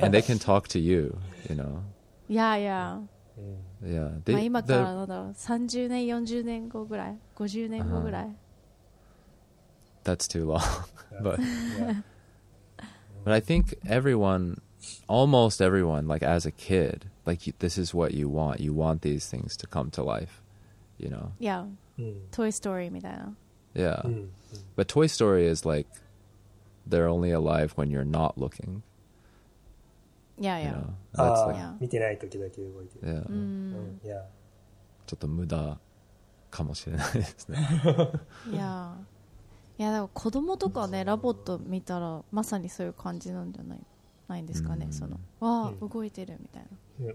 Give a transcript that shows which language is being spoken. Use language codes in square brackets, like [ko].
[en] And they can talk to you, you know. Yeah, yeah. Yeah. They, [ja] まあ今からなんだろう、30年、40年後ぐらい、50年後ぐらい。 [en] That's too long. But, yeah. But I think everyone, almost everyone, like as a kid, like this is what you want. You want these things to come to life, you know. Yeah. Toy Story みたいな。 Yeah. But Toy Story is like, they're only alive when you're not looking. Yeah, yeah. You know, that's like, yeah. [ja] 見てない時だけ動いてる。 [en] Yeah. Yeah. [ja] ちょっと無駄かもしれないですね。 [en] Yeah. [ja] いや、だから子供とかね、ラボット見たらまさにそういう感じなんじゃない、ないんですかね、その。わあ、動いてるみたいな。